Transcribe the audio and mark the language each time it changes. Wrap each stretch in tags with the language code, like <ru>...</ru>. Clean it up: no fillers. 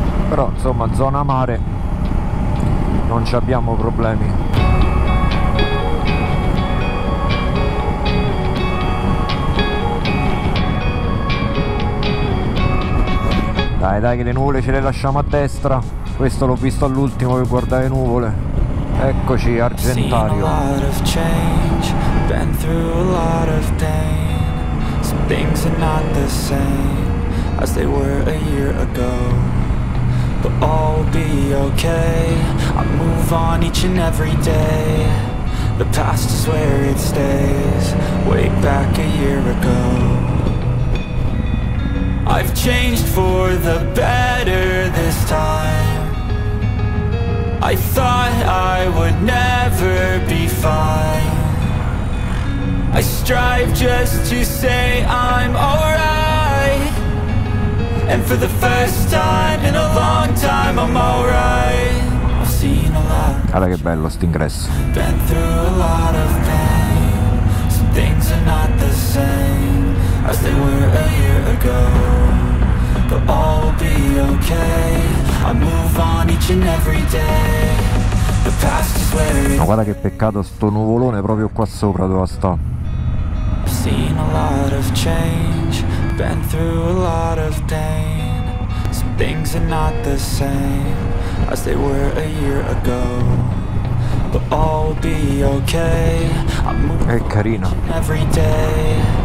<it>Però insomma, zona mare, non ci abbiamo problemi. Dai, dai, che le nuvole ce le lasciamo a destra. Questo l'ho visto all'ultimo per guardare le nuvole. Eccoci, Argentario.</it> <en>Seen a lot of change, been through a lot of pain. Some things are not the same as they were a year ago. But all will be okay, I move on each and every day. The past is where it stays, way back a year ago. I've changed for the better this time. I thought I would never be fine. I strive just to say I'm alright. And for the first time in a long time I'm alright. I've seen a lot.</en> <it>Guarda che bello st'ingresso.</it> <en>Been through a lot of pain. Some things are not the same as they were a year ago. But all will be okay. I move on each and every day. The past is where it's.</en> <it>Ma guarda che peccato sto nuvolone proprio qua sopra dove sta.</it> <en>I've seen a lot of change. Been through a lot of pain. Some things are not the same as they were a year ago. But all will be okay. I'm moving every day.</en>